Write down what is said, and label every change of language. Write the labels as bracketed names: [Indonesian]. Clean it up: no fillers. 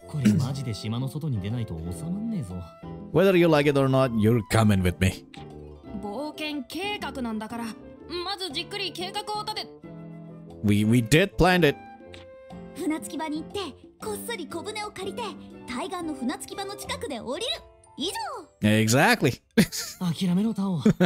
[Japanese] これマジで島の外に出ないと収まんねえぞ。 [English] Whether you like it or not, you're coming with me. [Japanese] 冒険計画なんだから、まずじっくり計画を立て。 [English] We did plan it. [Japanese] 船着き場に行って、こっそり小舟を借りて、対岸の船着き場の近くで降りる。以上。 [English] Exactly. [Japanese] 諦めろタオ。